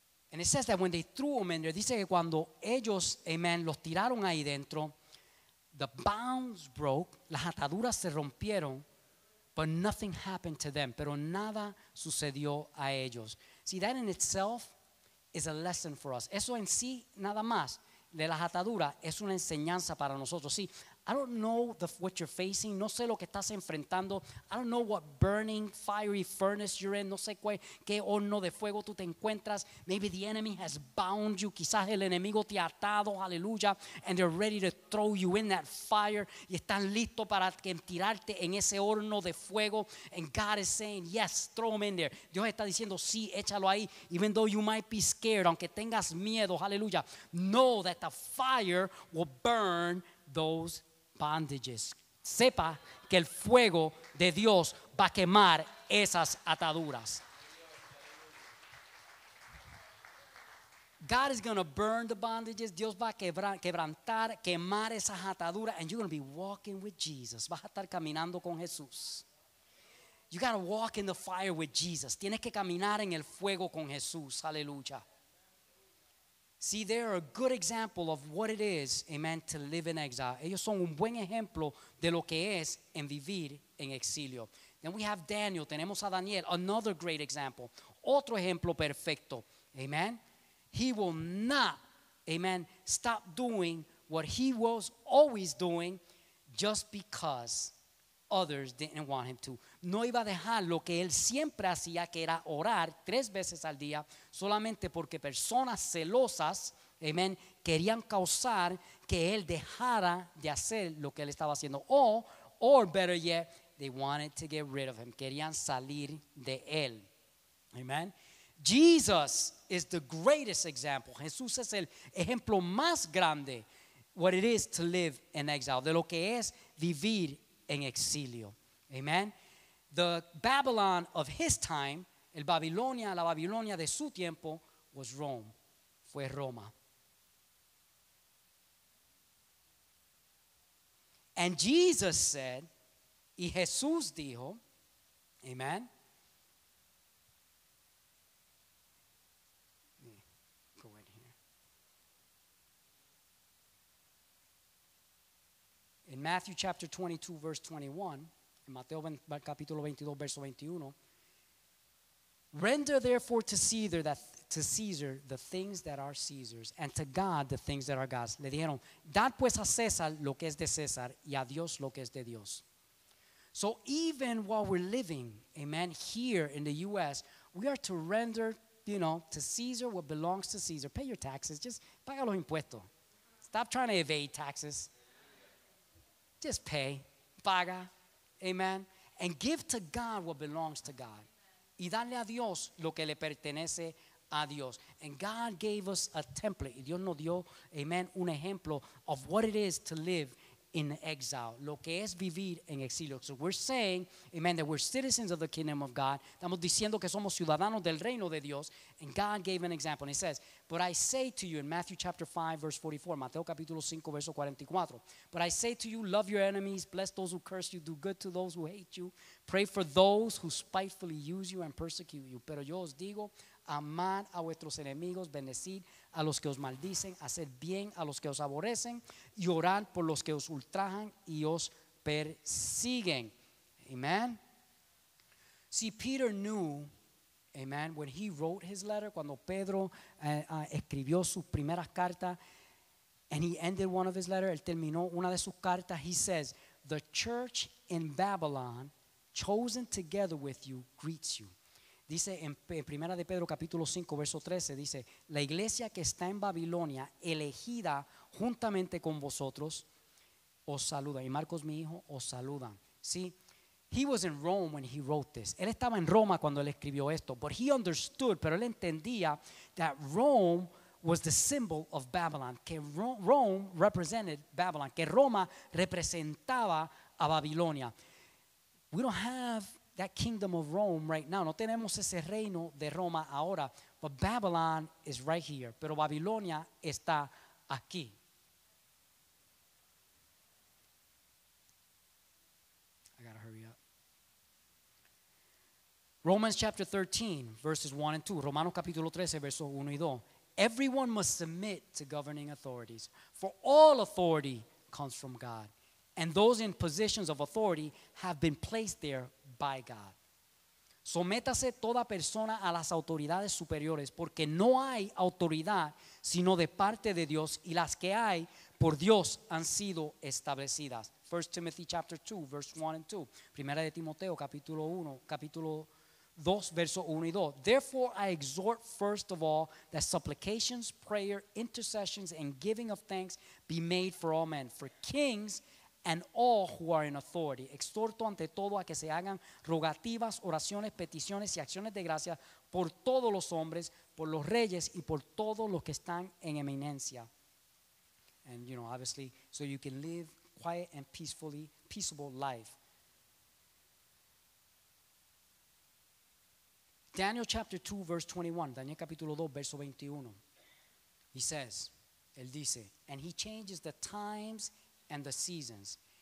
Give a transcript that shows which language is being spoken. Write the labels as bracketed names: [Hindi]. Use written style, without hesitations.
[English] And it says that when they threw him in there, [Spanish] dice que cuando ellos, amen, los tiraron ahí dentro, [English] the bonds broke, [Spanish] las ataduras se rompieron, [English] but nothing happened to them. [Spanish] Pero nada sucedió a ellos. [English] See, that in itself is a lesson for us. [Spanish] Eso en sí, nada más, de las ataduras, es una enseñanza para nosotros. [English] Sí. I don't know what you're facing. [Spanish] No sé lo que estás enfrentando. [English] I don't know what burning, fiery furnace you're in. [Spanish] No sé qué horno de fuego tú te encuentras. [English] Maybe the enemy has bound you. [Spanish] Quizás el enemigo te ha atado, aleluya. [English] And they're ready to throw you in that fire. [Spanish] Y están listos para tirarte en ese horno de fuego. [English] And God is saying, yes, throw them in there. [Spanish] Dios está diciendo, sí, échalo ahí. [English] Even though you might be scared, [Spanish] aunque tengas miedo, aleluya. [English] Know that the fire will burn those bondages. [Spanish] Sepa que el fuego de Dios va a quemar esas ataduras. [English] God is going to burn the bondages. [Spanish] Dios va a quebrantar, quemar esas ataduras. [English] And you're going to be walking with Jesus. [Spanish] Vas a estar caminando con Jesús. [English] You got to walk in the fire with Jesus. [Spanish] Tienes que caminar en el fuego con Jesús. Aleluya. [English] See, they are a good example of what it is, amen, to live in exile. [Spanish] Ellos son un buen ejemplo de lo que es en vivir en exilio. [English] Then we have Daniel. [Spanish] Tenemos a Daniel, [English] another great example. [Spanish] Otro ejemplo perfecto. Amen. [English] He will not, amen, stop doing what he was always doing just because others didn't want him to. [Spanish] No iba a dejar lo que él siempre hacía, que era orar tres veces al día, solamente porque personas celosas, amen, querían causar que él dejara de hacer lo que él estaba haciendo. [English] Or better yet, they wanted to get rid of him. [Spanish] Querían salir de él. Amen. [English] Jesus is the greatest example. [Spanish] Jesús es el ejemplo más grande [English] what it is to live in exile, [Spanish] de lo que es vivir en exilio. Amen. [English] The Babylon of his time, [Spanish] el Babilonia, la Babilonia de su tiempo, [English] was Rome. [Spanish] Fue Roma. [English] And Jesus said, [Spanish] y Jesús dijo, [English] amen. In Matthew chapter 22, verse 21, in [Spanish] Mateo capítulo 22, verso 21, [English] render therefore to Caesar to Caesar the things that are Caesar's, and to God the things that are God's. [Spanish] Le dijeron, dad pues a César lo que es de César, y a Dios lo que es de Dios. [English] So even while we're living, amen, here in the U.S., we are to render, you know, to Caesar what belongs to Caesar. Pay your taxes. Just [Spanish] paga los impuestos. [English] Stop trying to evade taxes. Just pay, paga, amen, and give to God what belongs to God. [Spanish] Y darle a Dios lo que le pertenece a Dios. [English] And God gave us a template. [Spanish] Y Dios nos dio, amen, un ejemplo [English] of what it is to live in exile. [Spanish] Lo que es vivir en exilio. [English] So we're saying, amen, that we're citizens of the kingdom of God. [Spanish] Estamos diciendo que somos ciudadanos del reino de Dios. [English] And God gave an example. And he says, but I say to you in Matthew chapter 5, verse 44, [Spanish] Mateo capítulo 5, verso 44. [English] But I say to you, love your enemies, bless those who curse you, do good to those who hate you, pray for those who spitefully use you and persecute you. [Spanish] Pero yo os digo, amad a vuestros enemigos, bendecid a los que os maldicen, hacer bien a los que os aborrecen, y orar por los que os ultrajan y os persiguen. [English] Amen. See, Peter knew, amen, when he wrote his letter, [Spanish] cuando Pedro escribió su primera carta, [English] and he ended one of his letters, [Spanish] él terminó una de sus cartas, [English] he says, the church in Babylon, chosen together with you, greets you. [Spanish] Dice en Primera de Pedro capítulo 5 verso 13, dice, la iglesia que está en Babilonia, elegida juntamente con vosotros, os saluda. Y Marcos mi hijo, os saluda. [English] See, he was in Rome when he wrote this. [Spanish] Él estaba en Roma cuando él escribió esto. [English] But he understood, [Spanish] pero él entendía [English] that Rome was the symbol of Babylon. [Spanish] Que [English] Rome represented Babylon. [Spanish] Que Roma representaba a Babilonia. [English] We don't have that kingdom of Rome right now. [Spanish] No tenemos ese reino de Roma ahora. [English] But Babylon is right here. [Spanish] Pero Babilonia está aquí. [English] I gotta hurry up. Romans chapter 13, verses 1 and 2. [Spanish] Romanos capítulo 13, versos 1 y 2. [English] Everyone must submit to governing authorities. For all authority comes from God. And those in positions of authority have been placed there by God. [Spanish] Sométase toda persona a las autoridades superiores, porque no hay autoridad sino de parte de Dios, y las que hay por Dios han sido establecidas. [English] 1 Timothy chapter 2, verse 1 and 2. [Spanish] Primera de Timoteo capítulo 1, capítulo 2, verso 1 y 2. [English] Therefore I exhort first of all that supplications, prayer, intercessions and giving of thanks be made for all men, for kings and all who are in authority. [Spanish] Exhorto ante todo a que se hagan rogativas, oraciones, peticiones y acciones de gracia por todos los hombres, por los reyes y por todos los que están en eminencia. [English] And you know, obviously, so you can live quiet and peacefully, peaceable life. Daniel chapter 2, verse 21. [Spanish] Daniel capítulo 2, verso 21. [English] He says, [Spanish] él dice, [English] and he changes the times and the seasons.